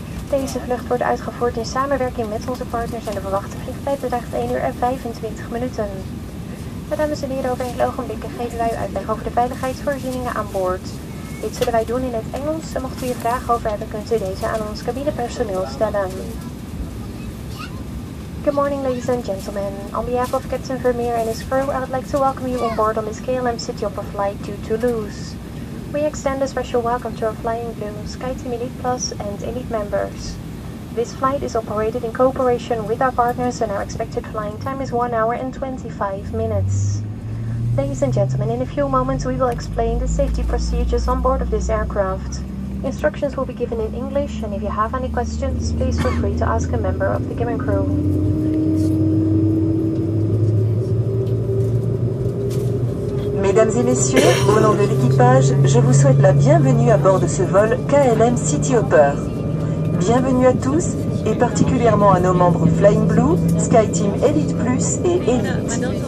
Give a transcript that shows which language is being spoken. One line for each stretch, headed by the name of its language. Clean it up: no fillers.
Dutch: Deze vlucht wordt uitgevoerd in samenwerking met onze partners en de verwachte vliegtijd bedraagt 1 uur en 25 minuten. Maar dames en heren, over enkele ogenblikken geven wij u uitleg over de veiligheidsvoorzieningen aan boord. Dit zullen wij doen in het Engels en mocht u hier vragen over hebben, kunt u deze aan ons cabinepersoneel stellen.
English: Good morning, ladies and gentlemen. On behalf of Captain Vermeer and his crew, I would like to welcome you on board on this KLM Cityhopper flight to Toulouse. We extend a special welcome to our Flying Blue, SkyTeam Elite Plus and Elite members. This flight is operated in cooperation with our partners and our expected flying time is 1 hour and 25 minutes. Ladies and gentlemen, in a few moments we will explain the safety procedures on board of this aircraft. Instructions will be given in English, and if you have any questions, please feel free to ask a member of the cabin crew.
French: Mesdames et messieurs, au nom de l'équipage, je vous souhaite la bienvenue à bord de ce vol KLM Cityhopper. Bienvenue à tous, et particulièrement à nos membres Flying Blue, SkyTeam Elite Plus et Elite.